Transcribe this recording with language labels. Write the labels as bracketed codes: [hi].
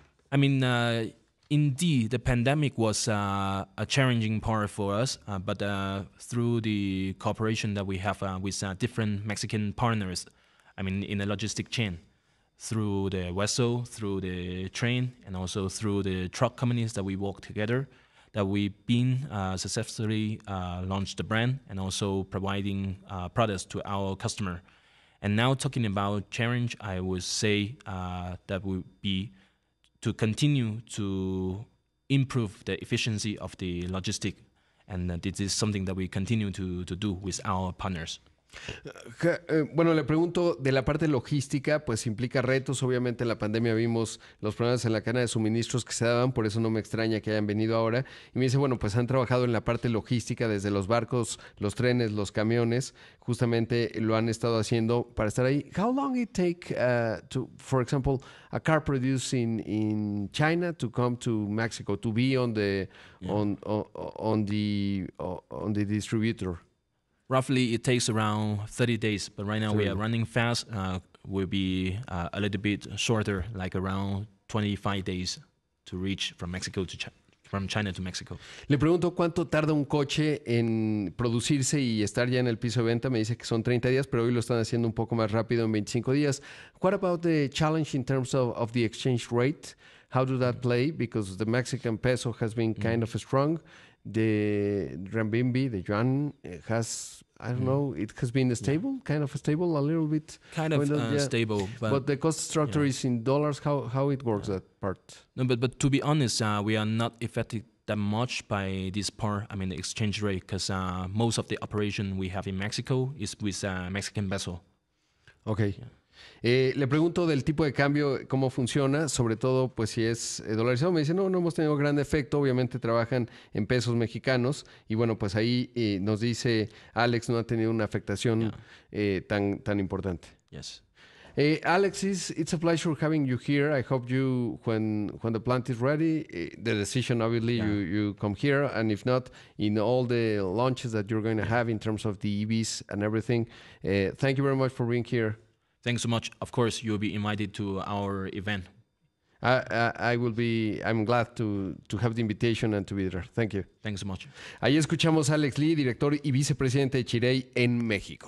[en] I mean, indeed, the pandemic was a challenging part for us, but through the cooperation that we have with different Mexican partners, I mean, in the logistic chain, through the vessel, through the train, and also through the truck companies that we work together, that we've been successfully launched the brand and also providing products to our customer. And now talking about challenge, I would say that would be to continue to improve the efficiency of the logistic. And this is something that we continue to do with our partners. [es] Bueno, le pregunto de la parte logística, pues implica retos. Obviamente en la pandemia vimos los problemas en la cadena de suministros que se daban, por eso no me extraña que hayan venido ahora. Y me dice, bueno, pues han trabajado en la parte logística desde los barcos, los trenes, los camiones, justamente lo han estado haciendo para estar ahí. [en] How long it take to, for example, a car produced in China to come to Mexico to be on the distributor? Roughly, it takes around 30 days, but right now we are running fast. We'll be a little bit shorter, like around 25 days to reach from Mexico to from China to Mexico. [es] Le pregunto cuánto tarda un coche en producirse y estar ya en el piso de venta. Me dice que son 30 días, pero hoy lo están haciendo un poco más rápido en 25 días. [en] What about the challenge in terms of the exchange rate? How do that play? Because the Mexican peso has been kind of strong. The renminbi, the yuan, has, I don't know, it has been stable, kind of stable, a little bit. Kind of stable. But the cost structure is in dollars. How it works, that part? No, but to be honest, we are not affected that much by this part, I mean, the exchange rate, because most of the operation we have in Mexico is with Mexican vessel. Okay. Yeah. [es] Le pregunto del tipo de cambio, cómo funciona, sobre todo pues si es dolarizado. Me dice, no hemos tenido gran efecto, obviamente trabajan en pesos mexicanos. Y bueno, pues ahí nos dice Alex, no ha tenido una afectación tan importante. [en] Yes. Alex, it's a pleasure having you here. I hope you, when the plant is ready, the decision, obviously, you come here. And if not, in all the launches that you're going to have in terms of the EVs and everything, thank you very much for being here. Thanks so much. Of course, you'll be invited to our event. I'm glad to have the invitation and to be there. Thank you. Thanks so much. [es] Ahí escuchamos a Alex Lee, director y vicepresidente de Chirey en México.